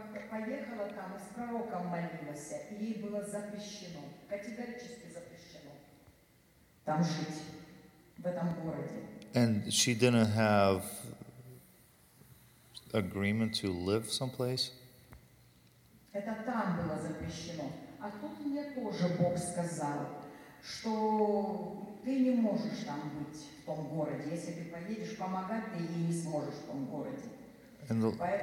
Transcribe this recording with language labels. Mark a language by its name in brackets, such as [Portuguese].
[Russian] Поехала там и с пророком молилась, и ей было запрещено, категорически запрещено там жить, в этом городе. [English] And she didn't have agreement to live someplace? [Russian] Это там было запрещено. А тут мне тоже Бог сказал, что ты не можешь там быть, в том городе. Если ты поедешь помогать, ты ей не сможешь в том городе.